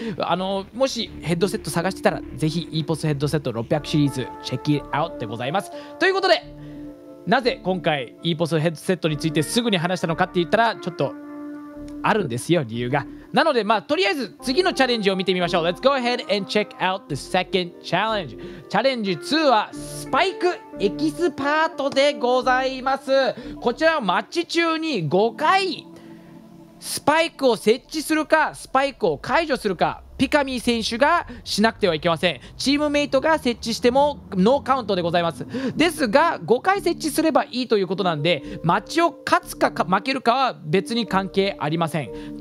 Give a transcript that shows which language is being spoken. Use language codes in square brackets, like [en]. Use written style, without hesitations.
[ja] あのもしヘッドセット探してたらぜひ EPOS ヘッドセット600シリーズチェックイアウトでございます。ということでなぜ今回 EPOS ヘッドセットについてすぐに話したのかって言ったらちょっとあるんですよ理由が。なのでまあとりあえず次のチャレンジを見てみましょう。 [en] Let's go ahead and check out the second challenge. [ja] チャレンジ2はスパイクエキスパートでございます。こちらはマッチ中に5回スパイクを設置するかスパイクを解除するかピカミー選手がしなくてはいけません。チームメイトが設置してもノーカウントでございます。ですが5回設置すればいいということなんで、マッチを勝つか負けるかは別に関係ありません。